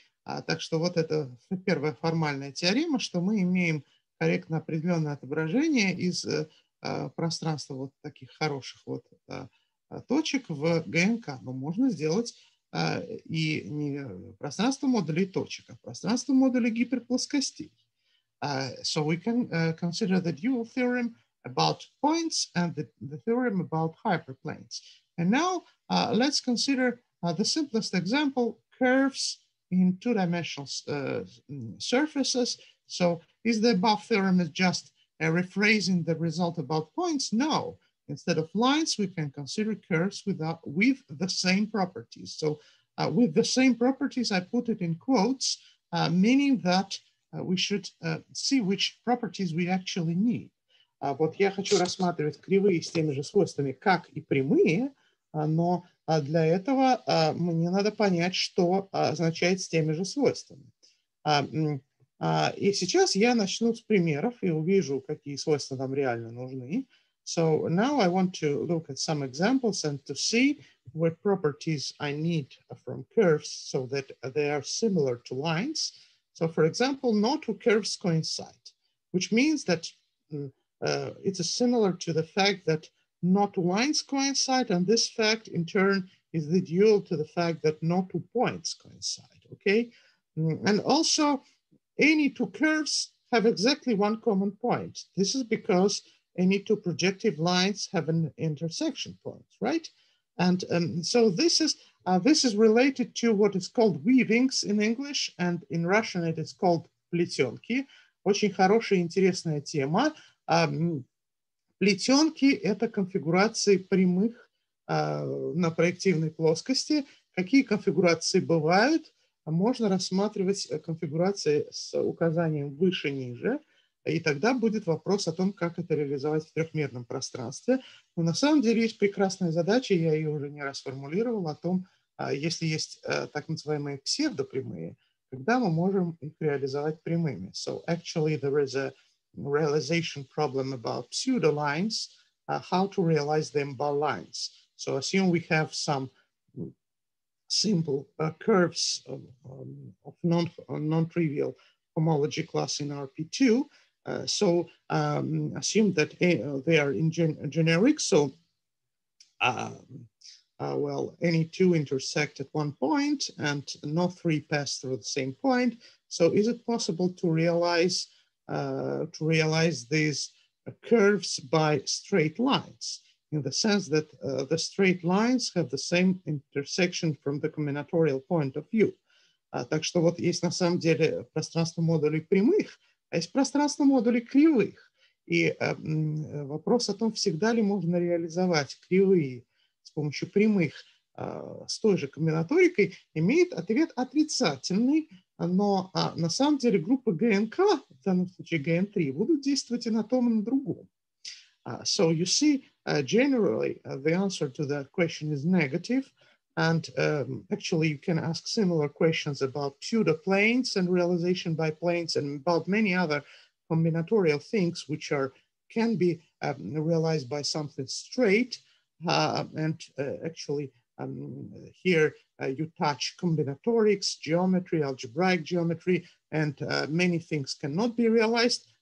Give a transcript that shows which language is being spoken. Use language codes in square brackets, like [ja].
[ru] Так что вот это первая формальная теорема, что мы имеем корректно определенное отображение из пространства вот таких хороших вот точек в ГНК. Но можно сделать и не пространство модулей точек, а пространство модулей гиперплоскостей. [en] So we can consider the dual theorem about points and the theorem about hyperplanes. And now let's consider the simplest example, curves in two-dimensional surfaces. So is the above theorem just a rephrasing the result about points? No. Instead of lines, we can consider curves with the same properties. So with the same properties, I put it in quotes, meaning that we should see which properties we actually need. [ru] Вот я хочу рассматривать кривые с теми же свойствами, как и прямые, но для этого мне надо понять, что означает с теми же свойствами. И сейчас я начну с примеров и увижу, какие свойства нам реально нужны. [en] So now I want to look at some examples and to see what properties I need from curves so that they are similar to lines. So for example, not two curves coincide, which means that it is similar to the fact that not two lines coincide, and this fact in turn is the dual to the fact that not two points coincide, okay? And also any two curves have exactly one common point. This is because any two projective lines have an intersection point, right? And so this is related to what is called weavings in English, and in Russian it is called плетенки. [ru] Очень хорошая, интересная тема. Плетенки – это конфигурации прямых на проективной плоскости. Какие конфигурации бывают? Можно рассматривать конфигурации с указанием выше-ниже, и тогда будет вопрос о том, как это реализовать в трехмерном пространстве. Но на самом деле есть прекрасная задача, я ее уже не раз формулировал, о том, если есть так называемые псевдопрямые, когда мы можем их реализовать прямыми. [en] So actually there is a realization problem about pseudo lines, how to realize them by lines. So assume we have some simple curves of non-trivial homology class in RP2, assume that they are in generic. So, any two intersect at one point and no three pass through the same point. So is it possible to realize these curves by straight lines in the sense that the straight lines have the same intersection from the combinatorial point of view? [ru] Так что вот есть на самом деле пространство модулей прямых, а есть пространство модулей кривых. И вопрос о том, всегда ли можно реализовать кривые с помощью прямых с той же комбинаторикой, имеет ответ отрицательный, но на самом деле группы ГНК, в данном случае ГН3, будут действовать и на том, и на другом. [en] So you see, generally, the answer to that question is negative, and actually you can ask similar questions about pseudoplanes and realization by planes and about many other combinatorial things which are can be realized by something straight, and actually here you touch combinatorics, geometry, algebraic geometry, and many things cannot be realized.